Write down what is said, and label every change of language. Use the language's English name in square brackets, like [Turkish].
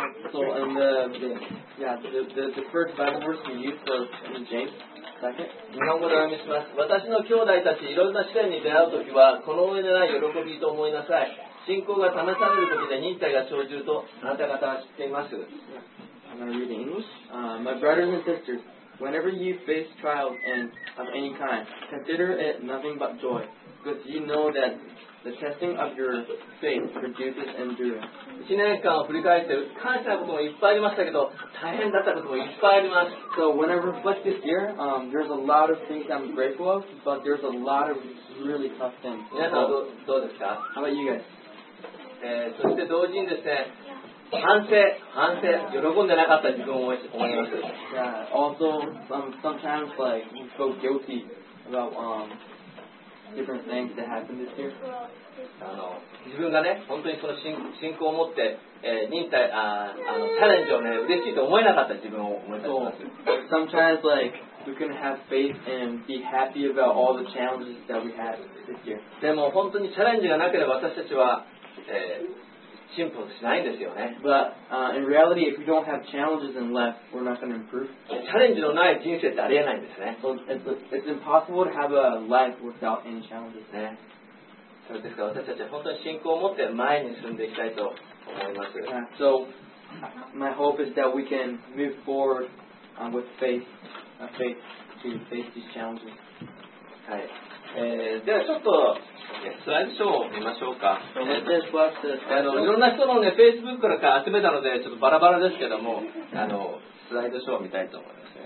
[English] So, and the, yeah, the first Bible verse we used was in James 2nd. [Japanese] 日本語で読みします。私の兄弟たち、いろんな試練に出会うときは、この上でない喜びと思いなさい。信仰が試されるときで忍耐が生じると、あなた方は知っています。 [English] I'm going to read in English. My brothers and sisters. Whenever you face trials and of any kind, consider it nothing but joy, because you know that the testing of your faith produces endurance. [Japanese] 1年間を振り返って感謝のこともいっぱいありましたけど、大変だったこともいっぱいあります。 [English] So when I reflect this year, there's a lot of things I'm grateful of, but there's a lot of really tough things. [Japanese] 皆さんどうですか? [English] How about you guys? [Japanese] そして同時にですね、反省、喜んでなかった自分を思います。 [English] Yeah, also, sometimes, like, we feel guilty about, different things that happened this year. [Japanese] 自分がね、本当にその信仰を持って、忍耐、チャレンジをね、嬉しいと思えなかった自分を思います。 [English] So, sometimes, like, we couldn't have faith and be happy about all the challenges that we had this year. [Japanese] でも、本当にチャレンジがなければ私たちは、進歩しないんですよね。 [English] But, in reality, if we don't have challenges in life, we're not going to improve. [Japanese] チャレンジのない人生ってありえないんですね。 [English] So, it's impossible to have a life without any challenges. [Japanese] ね。そうですか、私たちは本当に信仰を持って前に進んでいきたいと思います。 [English] So, my hope is that we can move forward, with faith, to face these challenges. [Japanese] はい。ではちょっとスライドショーを見ましょうか。いろんな人のね、Facebook から集めたので、ちょっとバラバラですけども、スライドショーを見たいと思います、ね。